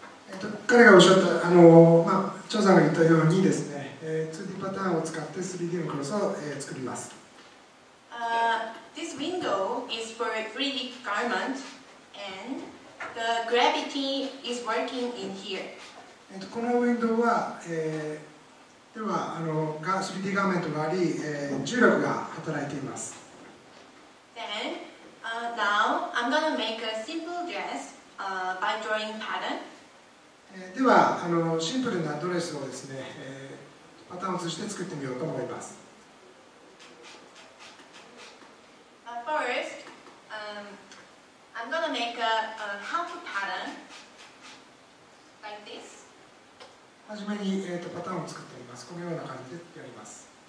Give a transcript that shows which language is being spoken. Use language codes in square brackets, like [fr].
[ja] 彼がおっしゃった、張さんが言ったようにですね、2D パターンを使って 3D のクロスを作ります。 [en] This window is for a 3D garment and the gravity is working in here. [ja] このウィンドウは、では3D ガーメントがあり、重力が働いています。 [en] Then, now I'm gonna make a simple dress, by drawing pattern. [ja] ではシンプルなドレスをですね、パターンを通して作ってみようと思います。 [en] First, I'm gonna make a half pattern like this. [ja] はじめに、パターンを作ってみます。このような感じでやります。